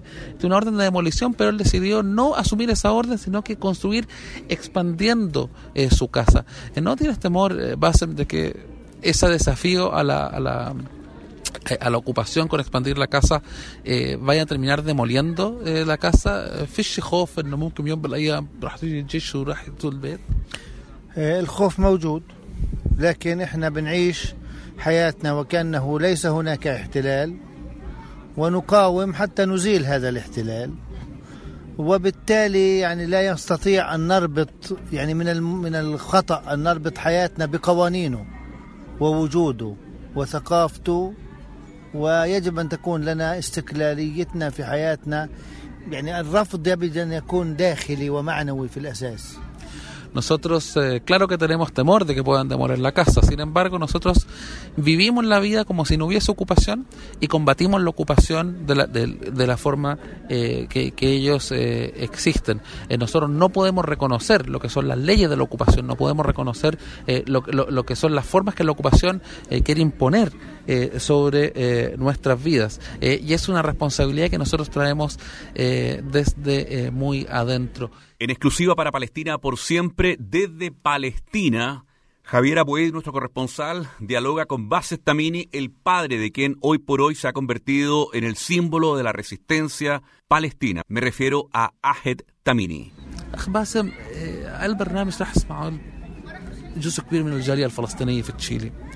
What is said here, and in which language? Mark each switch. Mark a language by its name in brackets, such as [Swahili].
[Spanish] Tiene una orden de demolición, pero él decidió no asumir esa orden, sino que construir expandiendo su casa. ¿No tienes temor, Bassem, de que ese desafío a la ocupación con expandir la casa vayan a terminar demoliendo la casa? [Arabic] ¿Fish خوف انه ممكن يوم بالايام راح تيجي الجيش وراح يطول البيت؟ الخوف موجود، لكن احنا بنعيش حياتنا وكانه ليس هناك احتلال، ونقاوم حتى نزيل هذا الاحتلال. وبالتالي يعني لا يستطيع ان نربط، يعني من الخطأ ان نربط حياتنا بقوانينه ووجوده وثقافته، ويجب أن تكون لنا استقلاليتنا في حياتنا. يعني الرفض يجب أن يكون داخلي ومعنوي في الأساس. [Spanish] Nosotros, claro que tenemos temor de que puedan demoler la casa. Sin embargo, nosotros vivimos la vida como si no hubiese ocupación y combatimos la ocupación de la forma que ellos existen. Nosotros no podemos reconocer lo que son las leyes de la ocupación, no podemos reconocer lo que son las formas que la ocupación quiere imponer sobre nuestras vidas. Y es una responsabilidad que nosotros traemos desde muy adentro. En exclusiva para Palestina por siempre, desde Palestina, Javier Abued, nuestro corresponsal, dialoga con Bassem Tamimi, el padre de quien hoy por hoy se ha convertido en el símbolo de la resistencia palestina. Me refiero a Ahed Tamimi. Bassem, el programa está escuchando un [Arabic] جزء كبير من الجالية الفلسطينية في تشيلي.